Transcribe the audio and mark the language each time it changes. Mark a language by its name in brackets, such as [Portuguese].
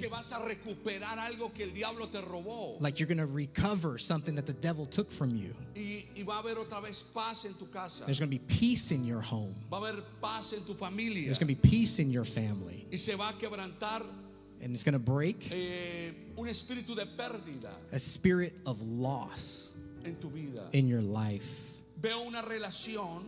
[Spanish] Como que vas a recuperar algo que el diablo te robó. [English] Like you're going to recover something that the devil took from you. [Spanish] Y va a haber otra vez paz en tu casa. [English] There's going to be peace in your home. [Spanish] Va a haber paz en tu familia. [English] There's going to be peace in your family. [Spanish] Y se va a quebrantar [English] and it's going to break [Spanish] un espíritu de pérdida. [English] A spirit of loss [Spanish] en tu vida. [English] In your life. [Spanish] Veo una relación.